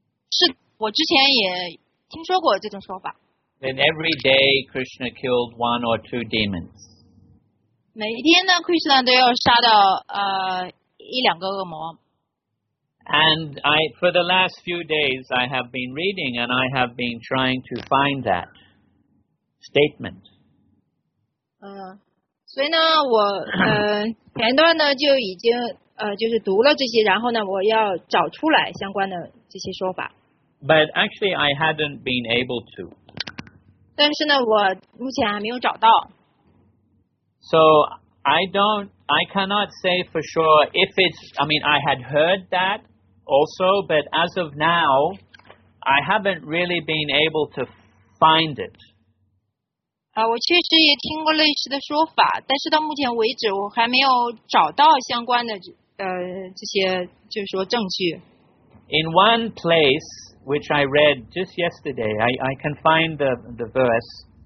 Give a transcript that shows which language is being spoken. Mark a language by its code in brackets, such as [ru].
[zh] 是，我之前也听说过这种说法。 [en] Then every day Krishna killed one or two demons. [zh] 每一天呢 ，Krishna 都要杀到一两个恶魔。 [en] And I, for the last few days, I have been reading and I have been trying to find that statement. [zh] 所以呢，我前段呢就已经就是读了这些，然后呢，我要找出来相关的这些说法。 [en] But actually, I hadn't been able to. [zh] 但是呢，我目前还没有找到。 [en] So. I cannot say for sure if it's, I mean, I had heard that also, but as of now, I haven't really been able to find it. [zh] 我确实也听过类似的说法，但是到目前为止，我还没有找到相关的这些就是说证据。 [en] In one place, which I read just yesterday, I can find the verse.